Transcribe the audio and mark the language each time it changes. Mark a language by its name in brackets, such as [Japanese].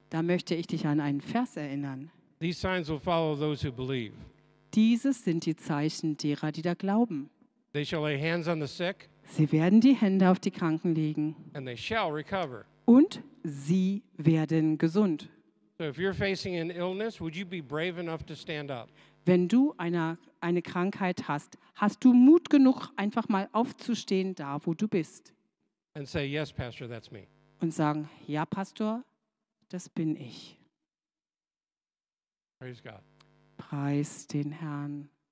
[German] Da möchte ich dich an einen Vers erinnern. [English] These signs will follow those who believe. [German] Dieses sind die Zeichen derer, die da glauben. [English] They shall lay hands on the sick, [German] sie werden die Hände auf die Kranken legen. [English] And they shall recover. [German] Und sie werden gesund. [English] So if you're facing an illness, would you be brave enough to stand up? [German] Wenn du eine Krankheit hast, hast du Mut genug, einfach mal aufzustehen, da wo du bist. [English] And say, yes, Pastor, that's me. [German] Und sagen, ja, Pastor, das bin ich. [English] Praise God. [German] Preis den Herrn.